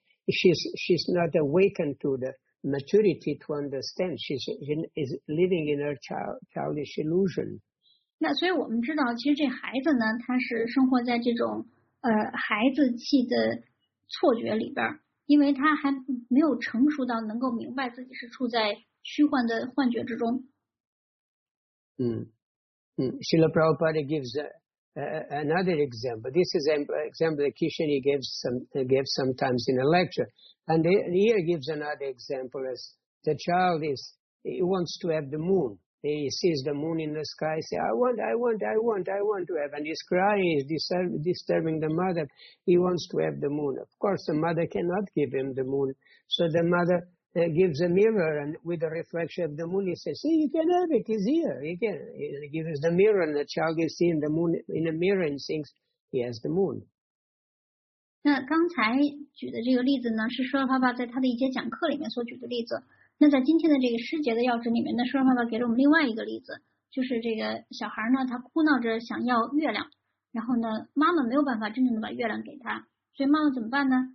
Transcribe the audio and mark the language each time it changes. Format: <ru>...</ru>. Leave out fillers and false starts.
<en>She's not awakened to the maturity to understand. She is living in her childish illusion.</en> <zh>那所以我们知道其实这孩子呢他是生活在这种孩子气的错觉里边因为他还没有成熟到能够明白自己是处在虚幻的幻觉之中。</zh> <en>Srila Prabhupada gives another example. This is an example that Kishani gives sometimes in a lecture. And here gives another example as the child he wants to have the moon. He sees the moon in the sky, say, I want to have. And he's crying, he's disturbing the mother. He wants to have the moon. Of course, the mother cannot give him the moon. So the mother gives a mirror, and with the reflection of the moon, he says, see, you can have it, it's here. You can. He gives the mirror, and the child is seeing the moon in a mirror and thinks he has the moon.</en> <zh>那刚才举的这个例子呢，是说爸爸在他的一节讲课里面所举的例子。那在今天的这个师节的要旨里面呢，释迦牟尼佛给了我们另外一个例子，就是这个小孩呢，他哭闹着想要月亮，然后呢，妈妈没有办法真正的把月亮给他，所以妈妈怎么办呢？</zh>